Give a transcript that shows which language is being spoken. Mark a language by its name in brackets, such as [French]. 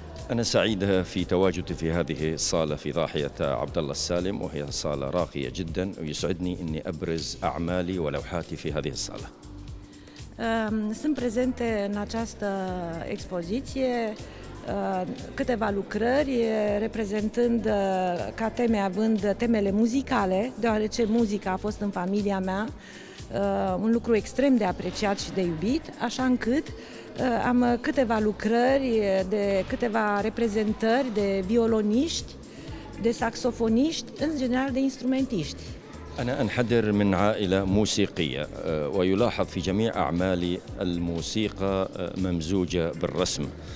[Arabic] أنا سعيد في تواجدي في هذه الصالة في ضاحية عبد الله السالم، وهي صالة راقية جدا، ويسعدني إني أبرز أعمالي ولوحاتي في هذه الصالة. [Romanian] Sunt prezente în această expoziție câteva lucrări reprezentând ca teme având temele muzicale, deoarece muzica a fost în familia mea un lucru extrem de apreciat și de iubit, așa încât am câteva lucrări de câteva reprezentări de violoniști, de saxofoniști, în general de instrumentiști. [Arabic] أنا أنحدر من عائلة موسيقية، ويلاحظ في جميع أعمالي الموسيقى ممزوجة بالرسم.